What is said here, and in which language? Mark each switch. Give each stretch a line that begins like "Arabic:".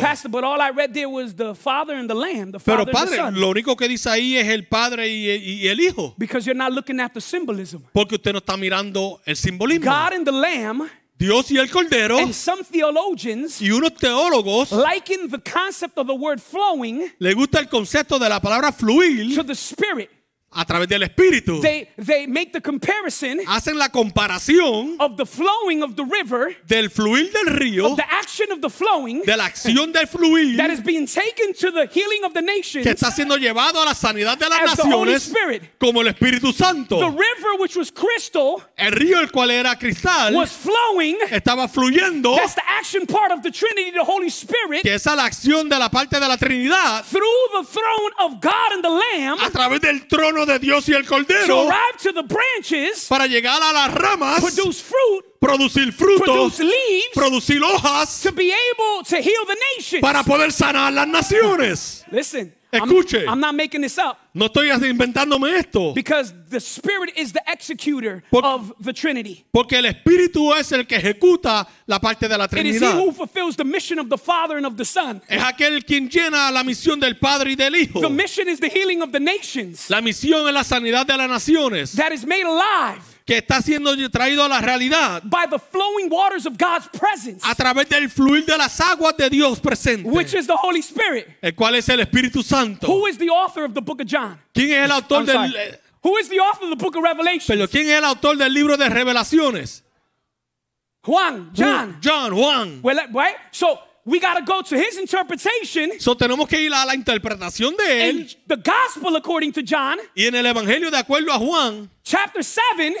English: Pastor, but all I read there was the Father and the Lamb. The
Spanish: pero padre,
English: and the Son.
Spanish: Lo único que dice ahí es el Padre y el Hijo.
English: Because you're not looking at the symbolism.
Spanish: Porque usted no está mirando el simbolismo.
English: God and the Lamb.
Spanish: Dios y el Cordero.
English: And some theologians.
Spanish: Y unos teólogos.
English: Liken the concept of the word flowing.
Spanish: Le gusta el concepto de la palabra fluir.
English: To the Spirit.
Spanish: A través del Espíritu.
English: They make the comparison.
Spanish: Hacen la comparación.
English: Of the flowing of the river.
Spanish: Del fluir del río.
English: Of the action of the flowing.
Spanish: De la acción del fluir.
English: That is being taken to the healing of the nations.
Spanish: Que está siendo llevado a la sanidad de las naciones.
English: As the Holy Spirit.
Spanish: Como el Espíritu Santo.
English: The river which was crystal.
Spanish: El río el cual era cristal.
English: Was flowing.
Spanish: Estaba fluyendo.
English: That's the action part of the Trinity, the Holy Spirit.
Spanish: Que esa es la acción de la parte de la Trinidad.
English: Through the throne of God and the Lamb.
Spanish: A través del trono de Dios y el Cordero,
English: to arrive to the branches,
Spanish: para llegar a las ramas,
English: produce fruit,
Spanish: producir frutos,
English: produce leaves,
Spanish: producir hojas,
English: to be able to heal the nations,
Spanish: para poder sanar las naciones.
English: Listen,
Spanish: escuche,
English: I'm not making this up.
Spanish: No estoy inventándome esto.
English: Because the Spirit is the executor of the Trinity.
Spanish: Porque el Espíritu es el que ejecuta la parte de la Trinidad.
English: It is He who fulfills the mission of the Father and of the Son.
Spanish: Es aquel quien llena la misión del Padre y del Hijo.
English: The mission is the healing of the nations.
Spanish: La misión es la sanidad de las naciones.
English: That is made alive.
Spanish: Que está siendo traído a la realidad.
English: By the flowing waters of God's presence.
Spanish: A través del fluir de las aguas de Dios presente.
English: Which is the Holy Spirit.
Spanish: El cual es el Espíritu Santo.
English: Who is the author of the book of John?
Spanish: ¿Quién es el autor del?
English: Who is the author of the book of Revelation?
Spanish: Pero ¿quién es el autor del libro de Revelaciones?
English: Juan, John.
Spanish: John, Juan.
English: Well, right? So we got to go to his interpretation.
Spanish: So tenemos que ir a la interpretación de él.
English: The gospel according to John.
Spanish: Y en el evangelio de acuerdo a Juan.
English: Chapter 7.